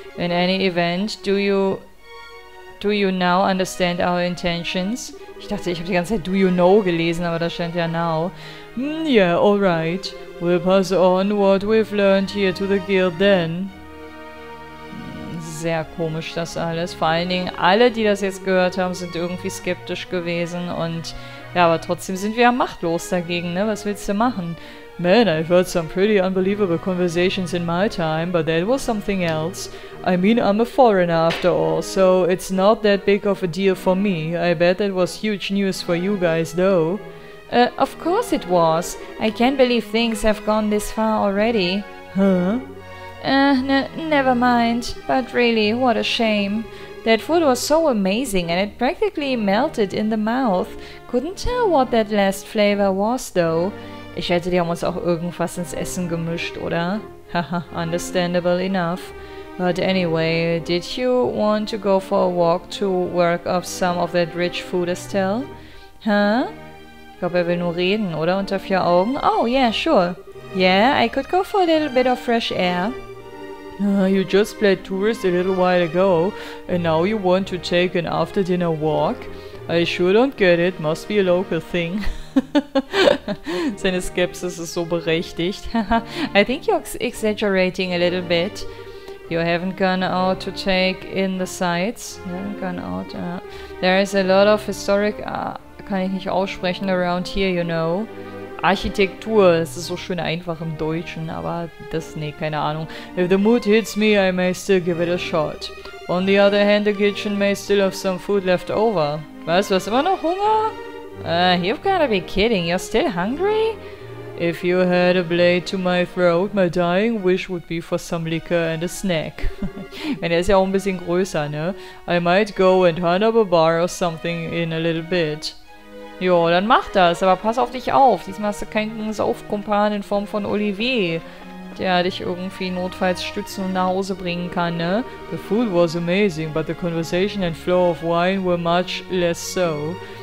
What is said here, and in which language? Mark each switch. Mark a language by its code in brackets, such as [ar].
[en] In any event, do you now understand our intentions? [de] Ich dachte, ich habe die ganze Zeit [en] "do you know" [de] gelesen, aber da stand ja "now". [en] Yeah, all right. We'll pass on what we've learned here to the guild then. [de] Sehr komisch das alles. Vor allen Dingen alle, die das jetzt gehört haben, sind irgendwie skeptisch gewesen und ja, aber trotzdem sind wir ja machtlos dagegen, ne? Was willst du machen? [en] Man, I've heard some pretty unbelievable conversations in my time, but that was something else. I mean, I'm a foreigner after all, so it's not that big of a deal for me. I bet that was huge news for you guys, though. Of course it was. I can't believe things have gone this far already. Huh? Never mind. But really, what a shame. That food was so amazing and it practically melted in the mouth. Couldn't tell what that last flavor was, though. [de] Ich hätte dir uns auch irgendwas ins Essen gemischt, oder? [en] Haha, understandable enough. But anyway, did you want to go for a walk to work up some of that rich food, Estelle? Huh? [de] Ich glaube, er will nur reden, oder? Unter vier Augen? [en] Oh, yeah, sure. Yeah, I could go for a little bit of fresh air. You just played tourist a little while ago, and now you want to take an after-dinner walk? I sure don't get it, must be a local thing. [de] Seine Skepsis ist so berechtigt. [en] I think you're exaggerating a little bit. You haven't gone out to take in the sights. You haven't gone out, There is a lot of historic... [de] kann ich nicht aussprechen, [en] around here, you know. [de] Architektur, das ist so schön einfach im Deutschen, aber das, nee, keine Ahnung. [en] If the mood hits me, I may still give it a shot. On the other hand, the kitchen may still have some food left over. [de] Was, du hast immer noch Hunger? [en] You've gotta be kidding, you're still hungry? If you had a blade to my throat, my dying wish would be for some liquor and a snack. [de] Und er ist ja auch ein bisschen größer, ne? [en] I might go and hunt up a bar or something in a little bit. [de] Jo, dann mach das, aber pass auf dich auf. Diesmal hast du keinen Saufkumpan in Form von Olivier, der dich irgendwie notfalls stützen und nach Hause bringen kann, ne? [en] The food was amazing, but the conversation and flow of wine were much less so.